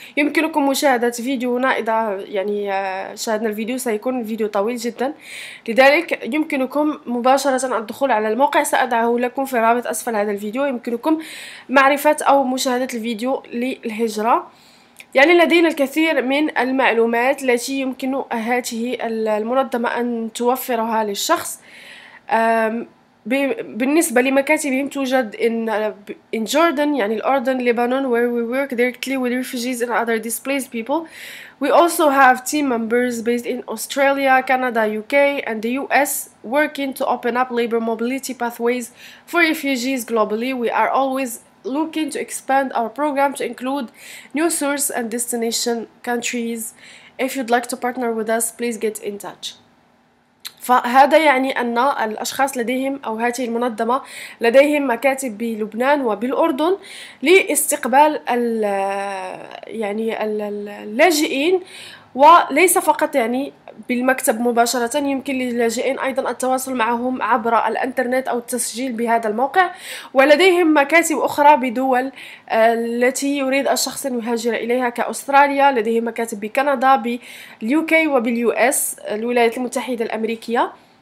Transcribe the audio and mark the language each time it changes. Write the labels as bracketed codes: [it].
[ar] يمكنكم مشاهدة فيديونا، إذا يعني شاهدنا الفيديو سيكون الفيديو طويل جدا، لذلك يمكنكم مباشرة الدخول على الموقع، سأضعه لكم في رابط أسفل هذا الفيديو، يمكنكم معرفة أو مشاهدة الفيديو للهجرة. يعني لدينا الكثير من المعلومات التي يمكن هذه المنظمة أن توفرها للشخص. بالنسبة لمكاتبهم توجد [en] in Jordan [ar] يعني الأردن، لبنان [en] where we work directly with refugees and other displaced people. We also have team members based in Australia, Canada, UK and the US working to open up labor mobility pathways for refugees globally. We are always looking to expand our program to include new source and destination countries. If you'd like to partner with us, please get in touch. [ar] فهذا يعني أن الأشخاص لديهم أو هذه المنظمة لديهم مكاتب بلبنان وبالأردن لاستقبال الـ يعني الـ اللاجئين، وليس فقط يعني بالمكتب مباشرة، يمكن للاجئين أيضا التواصل معهم عبر الأنترنت أو التسجيل بهذا الموقع، ولديهم مكاتب أخرى بدول التي يريد الشخص أن يهاجر إليها كأستراليا، لديهم مكاتب بكندا باليوكي وباليوإس الولايات المتحدة الأمريكية